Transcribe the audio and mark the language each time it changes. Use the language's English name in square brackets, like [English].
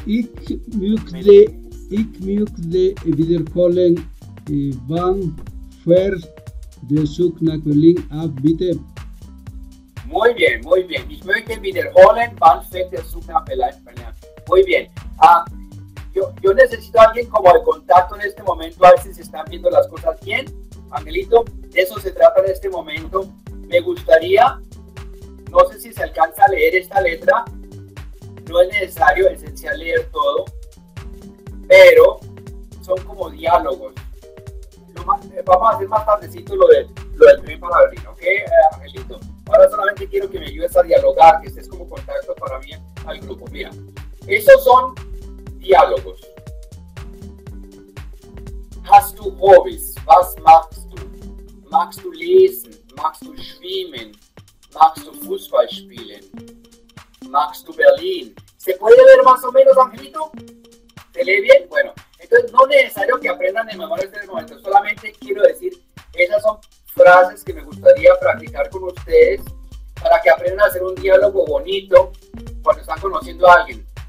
[German] Ich möchte wiederholen, wann fährt der Zug nach Berlin ab, bitte? [Spanish] Muy bien, muy bien. [German] Ich möchte wiederholen, wann fährt der Zug nach Berlin ab. [Spanish] Muy bien. Yo necesito a alguien como de contacto en este momento, a ver si se están viendo las cosas bien. Angelito, de eso se trata en este momento. Me gustaría, no sé si se alcanza a leer esta letra, no es necesario, esencial leer todo. Pero son como diálogos. Vamos a hacer más tardecito lo del primer palabrino, ¿ok, Angelito? Ahora solamente quiero que me ayudes a dialogar, que estés como contacto para mí al grupo. Mira, esos son diálogos. [German] Hast du Hobbys? Was machst du? Magst du lesen? Magst du schwimmen? Magst du Fußball spielen? Magst du Berlin? [Spanish] ¿Se puede ver más o menos, Angelito? ¿Se lee bien? Bueno, entonces no es necesario que aprendan de memoria en este momento. Solamente quiero decir, esas son frases que me gustaría practicar con ustedes para que aprendan a hacer un diálogo bonito cuando están conociendo a alguien.